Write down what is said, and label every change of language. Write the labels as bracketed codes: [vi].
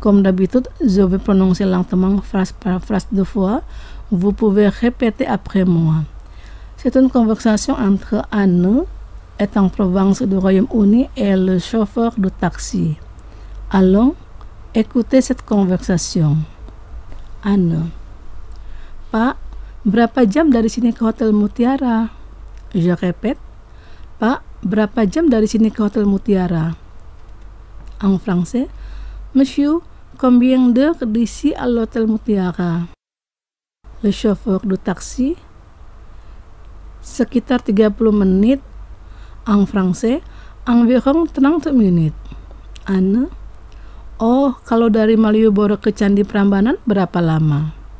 [fr] Comme d'habitude, je vais prononcer lentement phrase par phrase deux fois. Vous pouvez répéter après moi. C'est une conversation entre Anne, étant en Provence du Royaume-Uni, et le chauffeur de taxi. Allons écouter cette conversation. Anne. [id] Pak, berapa jam dari sini ke Hotel Mutiara? [fr] Je répète. [id] Pak, berapa jam dari sini ke Hotel Mutiara? [fr] En français. Monsieur, combien d'heures d'ici à l'Hotel Mutiara? Le chauffeur de taxi. [id] Sekitar 30 menit. [fr] En français. Environ [id] 30 menit. Anne. Oh, kalau dari Malioboro ke Candi Prambanan berapa lama?